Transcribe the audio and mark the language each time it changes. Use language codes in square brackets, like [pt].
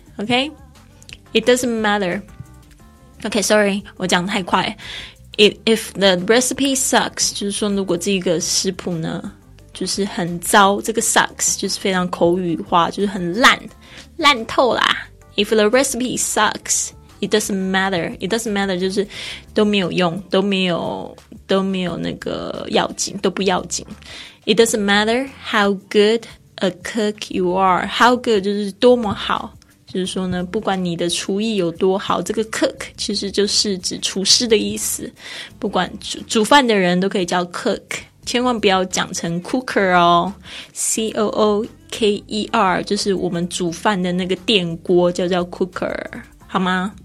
[en] OK， it doesn't matter。 OK， sorry [zh] 我讲得太快。 [en] If the recipe sucks [zh] 就是说如果这个食谱呢就是很糟，这个 sucks 就是非常口语化，就是很烂透啦。 [en] If the recipe sucksIt doesn't matter. It doesn't matter [zh] 就是都没有用，都没有那个要紧，都不要紧。 [en] It doesn't matter how good a cook you are. How good [zh] 就是多么好，就是说呢，不管你的厨艺有多好，这个 cook 其实就是指厨师的意思，不管煮饭的人都可以叫 cook， 千万不要讲成 cooker 哦。 C-O-O-K-E-R 就是我们煮饭的那个电锅叫 cooker， 好吗？